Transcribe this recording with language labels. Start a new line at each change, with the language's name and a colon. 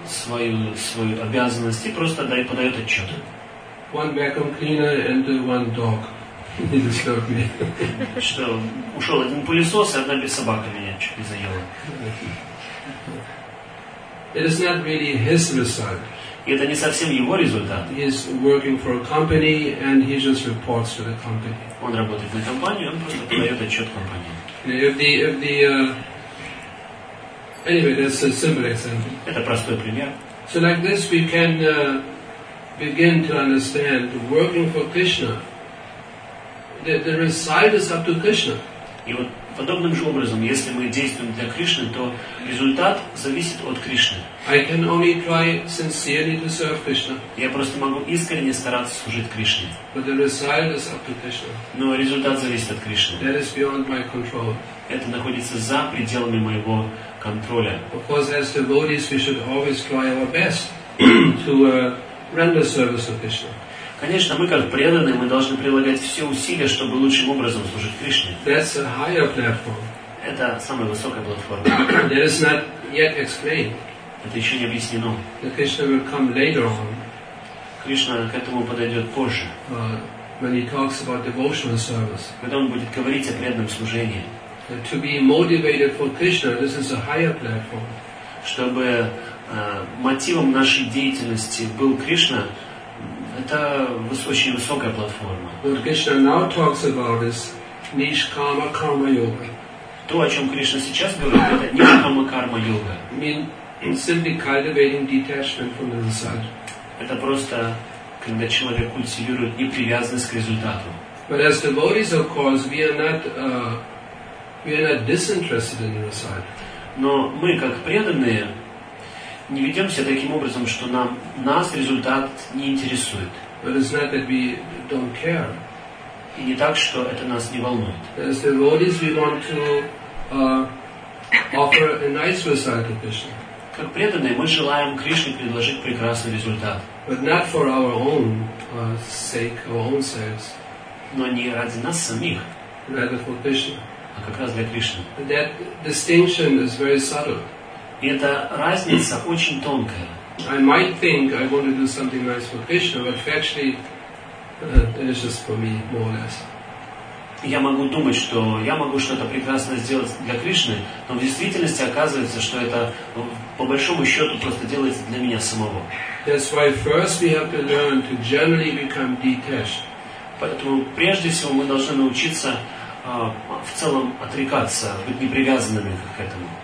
Russian: Свою обязанность и просто дает, подает отчет.
English: One vacuum cleaner and one dog. He disturbed me.
Russian: Что, ушел один пылесос, и одна без собака меня чуть не заела.
English: It is not really his result.
Russian: И это не совсем его результат.
English: He is working for a company and he just reports to the company.
Russian: Он работает на компанию, он просто подает отчет компании.
English: Anyway, that's a simple example.
Russian: Это простой пример.
English: So like this we can begin to understand working for Krishna. The result is up to Krishna.
Russian: И вот подобным же образом, если мы действуем для Кришны, то результат зависит от Кришны.
English: I can only try sincerely to serve Krishna.
Russian: Я просто могу искренне стараться служить Кришне.
English: But the result is up to Krishna.
Russian: Но результат зависит от Кришны.
English: That is beyond my control.
Russian: Это находится за пределами моего контроля.
English: Of course, as devotees, we should always try our best to render service to Krishna.
Russian: Конечно, мы как преданные, мы должны прилагать все усилия, чтобы лучшим образом служить Кришне.
English: That's a higher platform.
Russian: Это самая высокая платформа.
English: That is not yet explained.
Russian: Это еще не объяснено.
English: The Krishna will come later on.
Russian: Кришна к этому подойдет позже.
English: When he talks about devotional service.
Russian: Когда он будет говорить о преданном служении.
English: To be motivated for Krishna, this is a higher platform.
Russian: Чтобы мотивом нашей деятельности был Кришна. Это очень высокая платформа.
English: What Krishna now talks about is нишкама карма йога.
Russian: То, о чем Кришна сейчас говорит, это нишкама карма йога.
English: Simply cultivating detachment from the result.
Russian: Это просто, когда человек культивирует непривязанность к результату.
English: But as devotees, of course, we are not disinterested in the result.
Russian: Но мы как преданные не ведемся таким образом, что нас результат не интересует.
English: But it's not that we don't care.
Russian: И не так, что это нас не волнует.
English: As devotees, we want to offer a nice result to Krishna.
Russian: Как преданные, мы желаем Кришне предложить прекрасный результат.
English: But not for our own sake, our own selves.
Russian: Но не ради нас самих.
English: Rather for Krishna.
Russian: А как раз для Кришны.
English: That distinction is very subtle.
Russian: И эта разница очень тонкая.
English: I might think I want to do something nice for Krishna, but actually it's just for me, more or less.
Russian: Я могу думать, что я могу что-то прекрасное сделать для Кришны, но в действительности оказывается, что это по большому счету просто делается для меня самого.
English: That's why first we have to learn to generally become detached.
Russian: Поэтому прежде всего мы должны научиться в целом отрекаться, быть непривязанными к этому.